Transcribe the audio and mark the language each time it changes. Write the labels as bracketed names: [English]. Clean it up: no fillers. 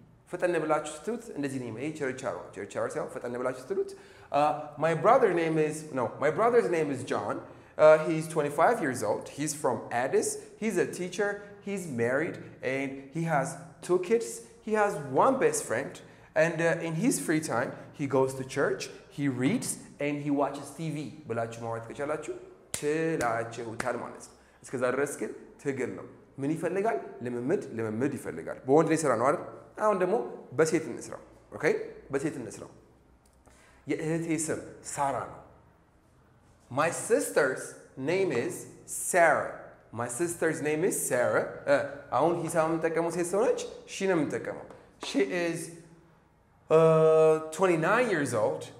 [Amharic] ፈጠነ ብላችሁ ስትሉት እንደዚህ ነው ይሄ ቸርቻው ሳይሆን ፈጠነ ብላችሁ ስትሉት [English] my brother's name is John he's 25 years old he's from Addis he's a teacher he's married and he has two kids. He has one best friend. And in his free time, he goes to church, he reads, and he watches TV. [Amharic] ብላችሁ ማውራት ከቻላችሁ ትላችሁታል ማለት ነው። እስከዛ ድረስ ግን ትግል ነው። ምን ይፈልጋል? ለምምድ ይፈልጋል። በወንድ ላይ ስራ ነው አይደል? አሁን ደግሞ በሴት እንስራ። ኦኬ? በሴት እንስራ። የእህቴ ስም ሳራ ነው። [English] My sister's name is Sarah. My sister's name is Sarah. [Amharic] አሁን ሂሳብ የምትጠቀመው ሴት ሆነች? ሺ ነው የምትጠቀመው። [English] She is 29 years old.